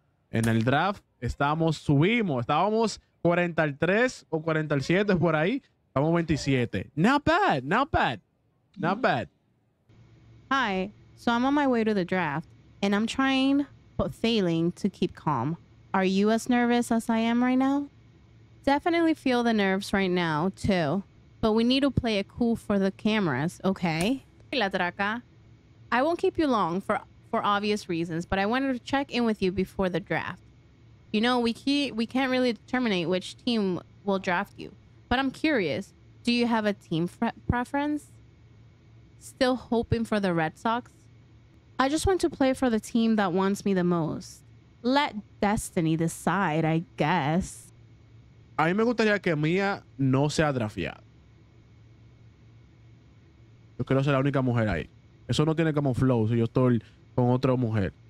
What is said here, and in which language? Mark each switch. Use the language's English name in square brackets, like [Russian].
[Spanish] En el draft estábamos 43 o 47 por ahí, estamos 27. [English] Not bad, not bad, not bad. Hi, so I'm on my way to the draft and I'm trying but failing to keep calm. Are you as nervous as I am right now? Definitely feel the nerves right now too, but we need to play it cool for the cameras, okay? Hey, La Traca, I won't keep you long for obvious reasons, but I wanted to check in with you before the draft. You know, we can't really determine which team will draft you, but I'm curious, do you have a team preference? Still hoping for the Red Sox? I just want to play for the team that wants me the most. Let destiny decide, I guess. [Spanish] A mí me gustaría que Mía no sea drafteada. Yo quiero ser la única mujer ahí. Eso no tiene como flow si yo estoy con otra mujer.